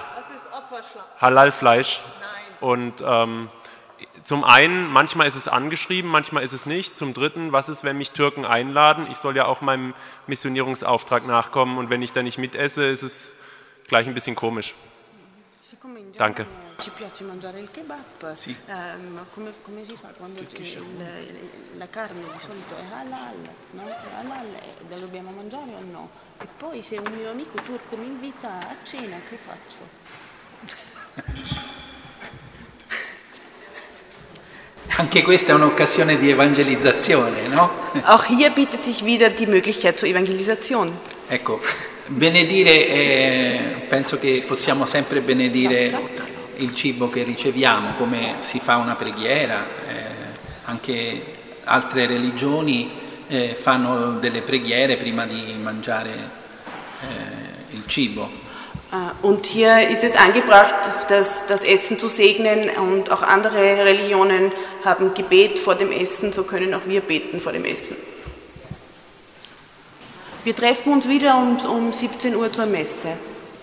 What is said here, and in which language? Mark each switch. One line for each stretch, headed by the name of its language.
German: Das ist Opferschlacht. Halal-Fleisch. Nein. Und zum einen, manchmal ist es angeschrieben, manchmal ist es nicht. Zum dritten, was ist, wenn mich Türken einladen? Ich soll ja auch meinem Missionierungsauftrag nachkommen. Und wenn ich da nicht mitesse, ist es gleich ein bisschen komisch. Danke.
Italian: Ci piace mangiare il kebab. Sì. Come si fa quando la carne di solito è halal, no? Halal, la dobbiamo mangiare o no? E poi se un mio amico turco mi invita a cena, che faccio? Anche questa è un'occasione di evangelizzazione, no?
German: Auch hier bietet sich wieder die Möglichkeit zur Evangelisation.
Italian: Ecco, benedire, penso che possiamo sempre benedire il cibo che riceviamo, come si fa una preghiera, anche altre religioni fanno delle preghiere prima di mangiare il cibo.
German: Und hier ist es angebracht, das Essen zu segnen, und auch andere Religionen haben Gebet vor dem Essen, so können auch wir beten vor dem Essen. Wir treffen uns wieder um 17 Uhr zur Messe.